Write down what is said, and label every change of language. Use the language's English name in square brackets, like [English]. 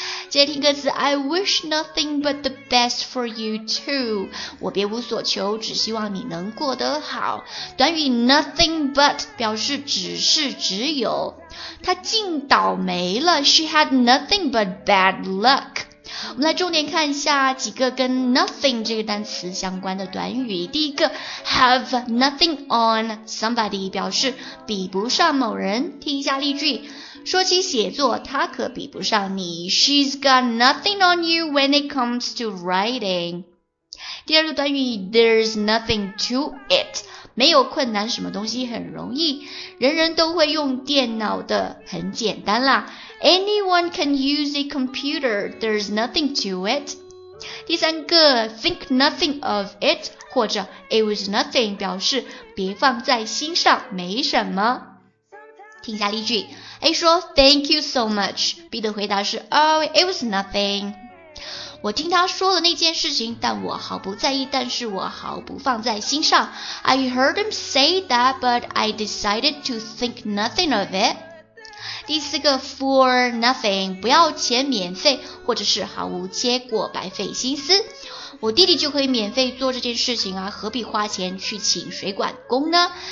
[English] 接着听歌词， I wish nothing but the best for you too. [Chinese] 我别无所求，只希望你能过得好。短语 nothing but 表示只是只有。 [English] 他竟倒霉了， She had nothing but bad luck. [Chinese] 我们来重点看一下几个跟 nothing 这个单词相关的短语。第一个， have nothing on somebody 表示比不上某人。听一下例句，说起写作他可比不上你。 [English] She's got nothing on you when it comes to writing. [Chinese] 第二个短语， There's nothing to it，没有困难，什么东西很容易，人人都会用电脑的，很简单啦。 [English] Anyone can use a computer, There's nothing to it. [Chinese] 第三个， Think nothing of it 或者 It was nothing 表示别放在心上，没什么。听一下例句， A 说 Thank you so much， B 的回答是 Oh it was nothing，我听他说了那件事情但我毫不在意，但是我毫不放在心上。 [English] I heard him say that but I decided to think nothing of it。 [Chinese] 第四个， for nothing 不要钱免费或者是毫无结果白费心思，我弟弟就可以免费做这件事情啊，何必花钱去请水管工呢？